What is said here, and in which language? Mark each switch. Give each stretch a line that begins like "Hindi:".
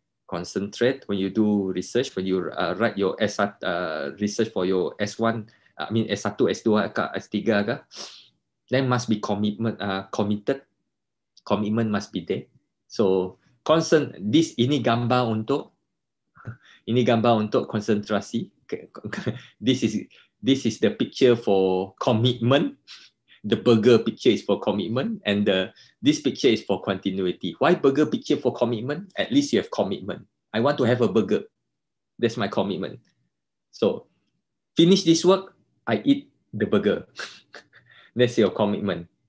English: Concentrate when you do research, when you write your research for your S1, S2, S3, then must be commitment, committed. Commitment must be there.
Malay: So, ini gambar untuk konsentrasi.
English: This is the picture for commitment. The burger picture is for commitment, and this picture is for continuity. Why burger picture for commitment? At least you have commitment. I want to have a burger. That's my commitment. So finish this work, I eat the burger. That's your commitment.